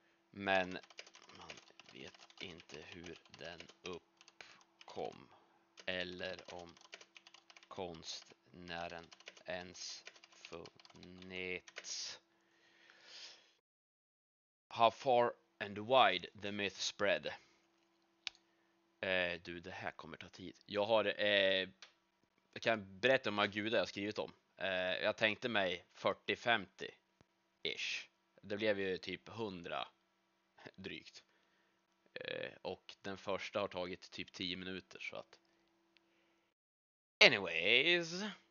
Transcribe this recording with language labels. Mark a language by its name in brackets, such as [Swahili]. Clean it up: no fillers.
[Swedish] Men man vet inte hur den uppkom eller om konstnären ens funnits. [English] How far and wide the myth spread. [Swedish] Du, det här kommer ta tid. Jag har, jag kan berätta om gudar jag skrivit om. Jag tänkte mig 40-50-ish. Det blev ju typ 100 drygt. Och den första har tagit typ 10 minuter. Så att. Anyways.